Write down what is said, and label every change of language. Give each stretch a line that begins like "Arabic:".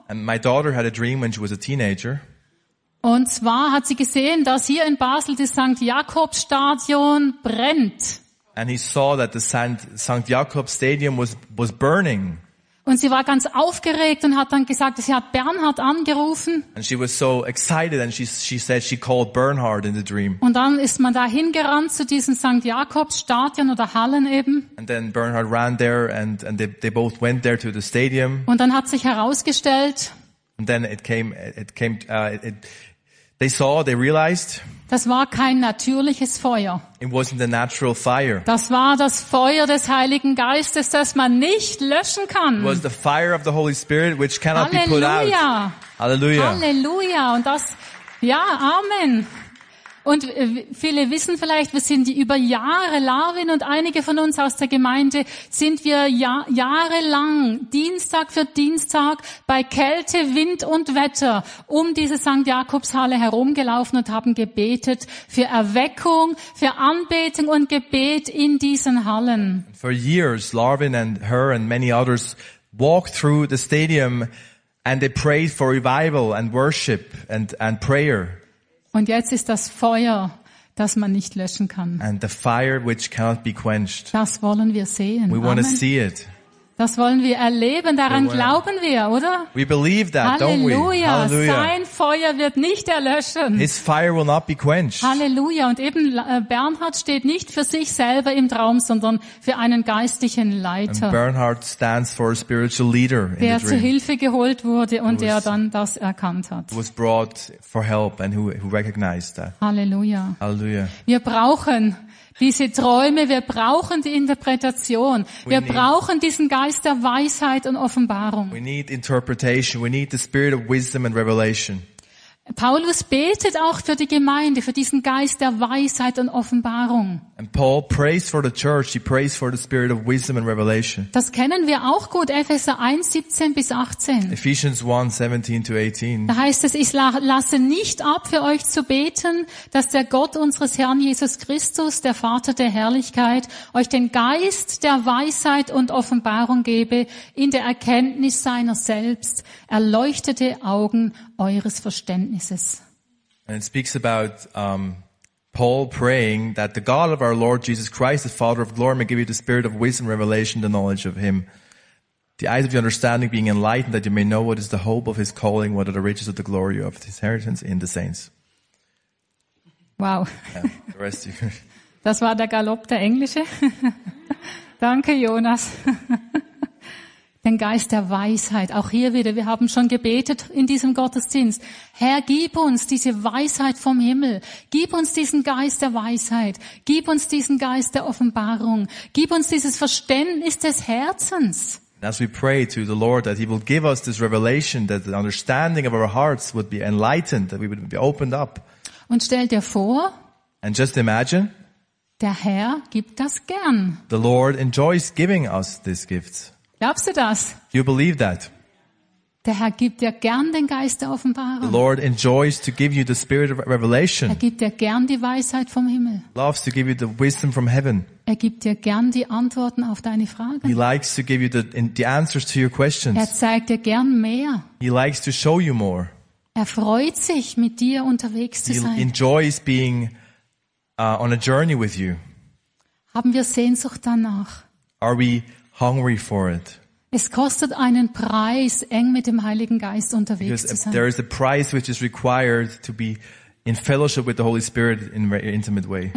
English: And my daughter had a dream when she was a teenager.
German: Und zwar hat sie gesehen, dass hier in Basel das St. Jakobsstadion brennt.
English: And he saw that the St. Jakobs Stadium was burning.
German: Und sie war ganz aufgeregt und hat dann gesagt, sie hat Bernhard angerufen.
English: And she was so excited and she said she called Bernhard in the dream.
German: Und dann ist man da hingerannt zu diesem St. Jakobs Stadion oder Hallen eben.
English: And then Bernhard ran there and they both went there to the stadium.
German: Und dann hat sich herausgestellt.
English: And then they realized.
German: Das war kein natürliches Feuer.
English: It wasn't a natural fire.
German: Das war das Feuer des Heiligen Geistes, das man nicht löschen kann.
English: It was the fire of the Holy Spirit which cannot
German: Halleluja.
English: Be put out.
German: Halleluja. Halleluja. Und das, ja, Amen. Und viele wissen vielleicht, wir sind über Jahre, Larvin und einige von uns aus der Gemeinde, sind wir jahrelang, Dienstag für Dienstag, bei Kälte, Wind und Wetter um diese St. Jakobshalle herumgelaufen und haben gebetet für Erweckung, für Anbetung und Gebet in diesen Hallen.
English: For years, Larvin and her and many others walked through the stadium and they prayed for revival and worship and prayer.
German: Und jetzt ist das Feuer, das man nicht löschen kann.
English: And the fire which cannot be quenched.
German: Das wollen wir sehen.
English: We want to see it.
German: Das wollen wir erleben. Daran glauben wir, oder?
English: We believe that,
German: Halleluja.
English: Don't we?
German: Halleluja. Sein Feuer wird nicht erlöschen.
English: His fire will not be quenched.
German: Halleluja. Und eben Bernhard steht nicht für sich selber im Traum, sondern für einen geistlichen Leiter.
English: And Bernhard stands for a spiritual leader in the dream.
German: Der zu Hilfe geholt wurde und der dann das erkannt hat.
English: Was brought for help and who recognized that.
German: Halleluja. Halleluja. Wir brauchen diese Träume, wir brauchen die Interpretation. Wir brauchen diesen Geist der Weisheit und Offenbarung.
English: We need interpretation. We need the spirit of wisdom and revelation.
German: Paulus betet auch für die Gemeinde, für diesen Geist der Weisheit und Offenbarung.
English: And Paul prays for the church. He prays for the spirit of wisdom and revelation.
German: Das kennen wir auch gut, Epheser 1, 17 bis 18.
English: Ephesians 1, 17 to 18.
German: Da heißt es, ich lasse nicht ab, für euch zu beten, dass der Gott unseres Herrn Jesus Christus, der Vater der Herrlichkeit, euch den Geist der Weisheit und Offenbarung gebe, in der Erkenntnis seiner selbst, erleuchtete Augen eures Verständnisses.
English: And it speaks about Paul praying that the God of our Lord Jesus Christ, the Father of glory, may give you the spirit of wisdom, revelation, the knowledge of him. The eyes of your understanding being enlightened, that you may know what is the hope of his calling, what are the riches of the glory of his inheritance in the saints. Wow. Yeah, the rest you.
German: Das war der Galopp der Englische. Danke, Jonas. Den Geist der Weisheit. Auch hier wieder, wir haben schon gebetet in diesem Gottesdienst. Herr, gib uns diese Weisheit vom Himmel. Gib uns diesen Geist der Weisheit. Gib uns diesen Geist der Offenbarung. Gib uns dieses Verständnis des Herzens.
English: As we pray to the Lord that he will give us this revelation, that the understanding of our hearts would be enlightened, that we would be opened up.
German: Und stell dir vor,
English: and just imagine,
German: der Herr gibt das gern.
English: The Lord enjoys giving us these gifts.
German: Glaubst du das?
English: Do you believe that?
German: Der Herr gibt dir gern den Geist der Offenbarung.
English: The Lord enjoys to give you the spirit of revelation.
German: Er gibt dir gern die Weisheit vom Himmel.
English: Loves to give you the wisdom from heaven.
German: Er gibt dir gern die Antworten auf deine Fragen.
English: He likes to give you the answers to your questions.
German: Er zeigt dir gern mehr.
English: He likes to show you more.
German: Er freut sich, mit dir unterwegs zu sein.
English: He enjoys being on a journey with you.
German: Haben wir Sehnsucht danach?
English: Are we hungry for it?
German: Es kostet einen Preis, eng mit dem Heiligen Geist unterwegs zu sein.
English: Because there is a price which is required to be in fellowship with the Holy Spirit in an intimate way.